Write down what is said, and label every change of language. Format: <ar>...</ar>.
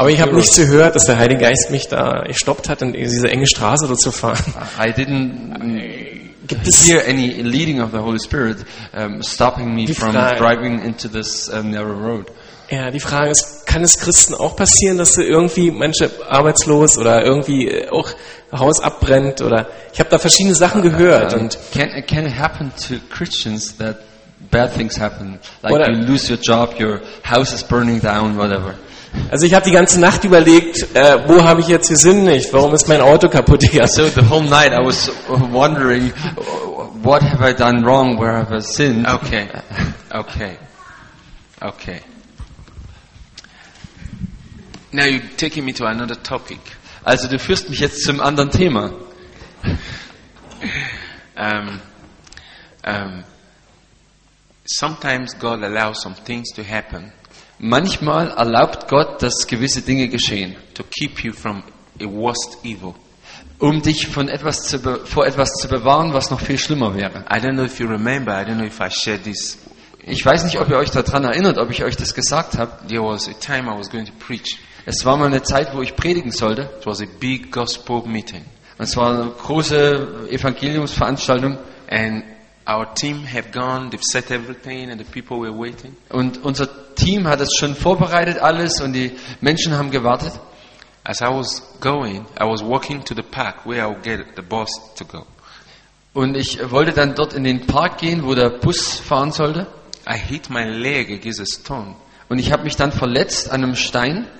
<de>Aber ich habe nicht gehört, dass der Heilige Geist mich da gestoppt hat, in diese enge Straße dort zu fahren.</de> <en>I didn't</en> <de>gibt es hier</de> <en>any leading of the Holy Spirit stopping me from driving into this narrow road?</en> <de>Ja, die Frage ist, kann es Christen auch passieren, dass sie irgendwie manche arbeitslos oder irgendwie auch Haus abbrennt oder ich habe da verschiedene Sachen gehört und</de> <en>can it happen to Christians that bad things happen like you lose your job, your house is burning down, whatever.</en> <de>Also ich habe die ganze Nacht überlegt, wo habe ich jetzt gesündigt? Warum ist mein Auto kaputt gegangen?</de> <en>So the whole night I was wondering, what have I done wrong, where have I sinned? Okay, okay, okay. Now you're taking me to another topic.</en> <de>Also du führst mich jetzt zum anderen Thema.</de> <en>Sometimes God allows some things to happen.</en> <de>Manchmal erlaubt Gott, dass gewisse Dinge geschehen,</de> <en>to keep you from a worst evil,</en> <de>um dich von etwas zu vor etwas zu bewahren, was noch viel schlimmer wäre.</de> <en>I don't know if you remember, I don't know if I shared this.</en> <de>Ich weiß nicht, ob ihr euch daran erinnert, ob ich euch das gesagt habe.</de> <en>There was a time I was going to preach.</en> <de>Es war mal eine Zeit, wo ich predigen sollte.</de> <en>It was a big gospel meeting.</en> <de>Es war eine große Evangeliumsveranstaltung.</de> <en>And our team had gone, they've set everything and the people were waiting.</en> <de>Und unser Team hat es schon vorbereitet alles und die Menschen haben gewartet.</de> <en>As I was going, I was walking to the park where I would get the bus to go.</en> <de>Und ich wollte dann dort in den Park gehen, wo der Bus fahren sollte.</de> <en>I hit my leg against a stone.</en> <de>Und ich habe mich dann verletzt an einem Stein.</de>